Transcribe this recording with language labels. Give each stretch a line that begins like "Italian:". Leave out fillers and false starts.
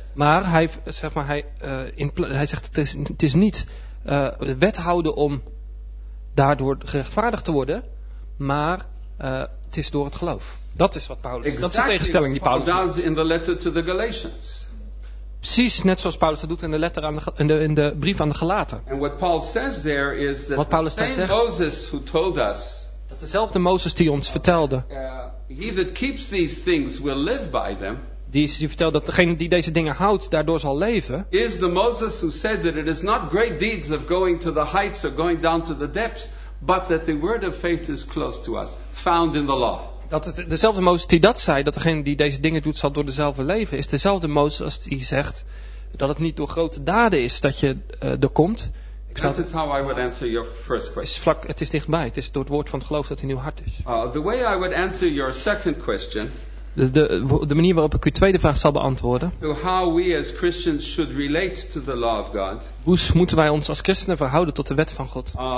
Dutch: Maar hij zegt het is niet wet houden om daardoor gerechtvaardigd te worden, maar het is door het geloof. Dat is wat Paulus.
English: Exactly,
Dutch: dat is de tegenstelling die Paulus
English: does in the letter to the Galatians.
Dutch: Precies, net zoals Paulus dat doet in de brief aan de Galaten.
English: And what Paul says there is that
Dutch: wat Paulus daar zegt,
English: Moses who told us,
Dutch: dat dezelfde Mozes die ons vertelde,
English: he that keeps these things will live by them,
Dutch: die vertelt dat degene die deze dingen houdt daardoor zal leven,
English: is the Moses who said that it is not great deeds of going to the heights or going down to the depths, but that the word of faith is close to us, found in the law.
Dutch: Dat het dezelfde Mozes die dat zei, dat degene die deze dingen doet zal door dezelfde leven, is dezelfde Mozes als die zegt dat het niet door grote daden is dat je er komt.
English: That is how I would answer your first question.
Dutch: Het is dichtbij. Het is door het woord van het geloof dat in uw hart is.
English: The way I would answer your second question.
Dutch: De manier waarop ik uw tweede vraag zal beantwoorden.
English: To how we as Christians should relate to the law of God.
Dutch: Hoe moeten wij ons als christenen verhouden tot de wet van God?